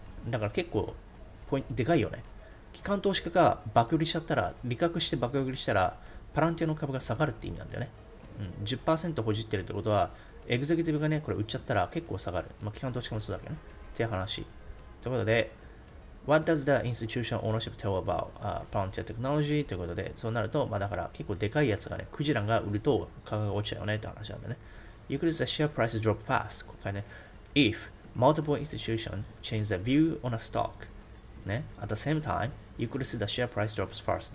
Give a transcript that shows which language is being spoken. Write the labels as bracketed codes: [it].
[ja] だから結構、ポイント、でかいよね。機関投資家が爆売りしちゃったら、利確して爆売りしたら、パランティアの株が下がるって意味なんだよね。 10% ほじってるってことは、エグゼキティブがね、これ売っちゃったら結構下がる。まあ、機関投資家もそうだけどね。っていう話。ということで、 [en] What does the institution ownership tell about frontier technology? [ja] ということで、そうなると、まあだから結構でかいやつがね、クジラが売ると価格が落ちちゃうよねって話なんだね。 [en] You could see the share price drop fast. [ja] ここからね。 [en] If multiple institutions change their view on a stock, ね、at the same time, you could see the share price drops fast.